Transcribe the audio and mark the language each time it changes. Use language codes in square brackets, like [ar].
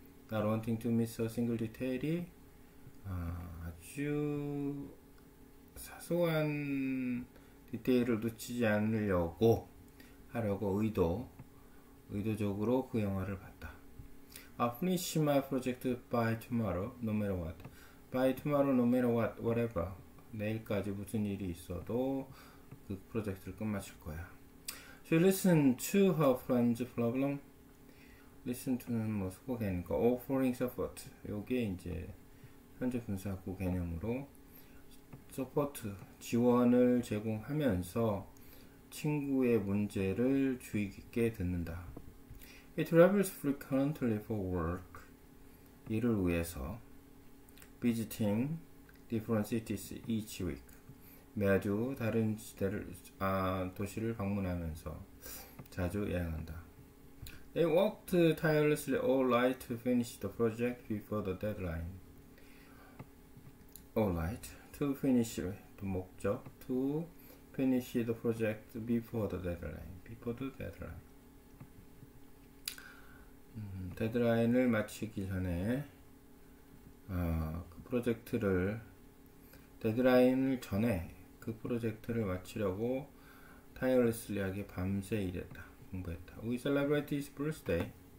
[en] Not wanting to miss a single detail [ko] 이 아주 사소한 디테일을 놓치지 않으려고 하려고 의도적으로 그 영화를 봤다. [en] I'll finish my project by tomorrow, no matter what. By tomorrow, no matter what, whatever. [ko] 내일까지 무슨 일이 있어도 그 프로젝트를 끝마칠 거야. [en] She listened to her friend's problem. [ko] Listen to는 뭐 수고 개념이니까 [en] offering support. [ko] 이게 이제 현재 분사구 개념으로 support, 지원을 제공하면서 친구의 문제를 주의 깊게 듣는다. [en] He travels frequently for work. [ko] 일을 위해서 [en] visiting different cities each week. [ko] 매주 다른 도시를 방문하면서 자주 여행한다. [en] They walked tirelessly all night to finish the project before the deadline. All night to finish the [ko] 목적 [en] to finish the project before the deadline. Before the deadline. [ko] 데드라인을 마치기 전에 그 프로젝트를 데드라인을 전에 그 프로젝트를 마치려고 tirelessly하게 밤새 일했다. 공부했다. [en] We celebrate his birthday.